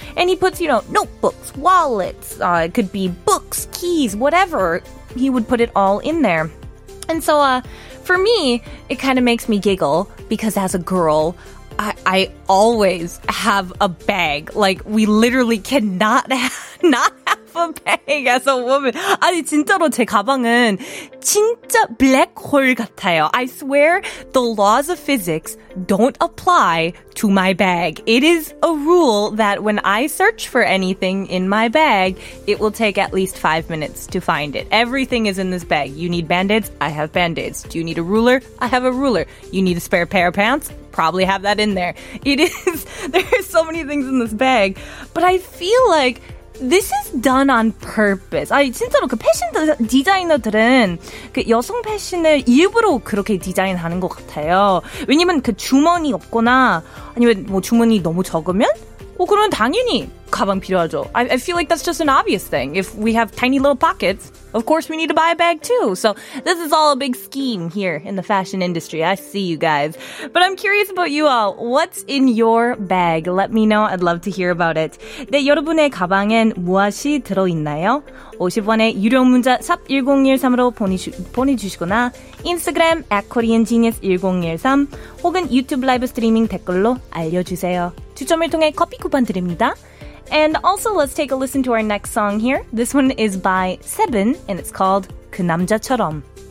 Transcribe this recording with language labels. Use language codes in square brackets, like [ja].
[en] And he puts, you know, notebooks, wallets, it could be books, keys, whatever. He would put it all in there. And so for me, it kind of makes me giggle because as a girl, I always have a bag. Like, we literally cannot have a bag as a woman. [ko] 아니, 진짜로 제 가방은 진짜 블랙홀 같아요. [en] I swear the laws of physics don't apply to my bag. It is a rule that when I search for anything in my bag, it will take at least 5 minutes to find it. Everything is in this bag. You need band-aids? I have band-aids. Do you need a ruler? I have a ruler. You need a spare pair of pants? Probably have that in there. It is, there are so many things in this bag, but I feel like this is done on purpose. [ko] 아니, 진짜로 그 패션 디자이너들은 그 여성 패션을 일부러 그렇게 디자인하는 것 같아요. 왜냐면 그 주머니 없거나 아니면 뭐 주머니 너무 적으면 뭐 그러면 당연히 가방 필요하죠. [en] I feel like that's just an obvious thing. If we have tiny little pockets, of course we need to buy a bag too. So this is all a big scheme here in the fashion industry. I see you guys. But I'm curious about you all. What's in your bag? Let me know. I'd love to hear about it. [ko] 네, 여러분의 가방엔 무엇이 들어있나요? 50원의 유료 문자 샵1013으로 보내주시거나 인스타그램 @koreangenius1013 혹은 유튜브 라이브 스트리밍 댓글로 알려주세요. 추첨을 통해 커피 쿠폰 드립니다. [en] And also, let's take a listen to our next song here. This one is by Seben, and it's called 그 남자처럼.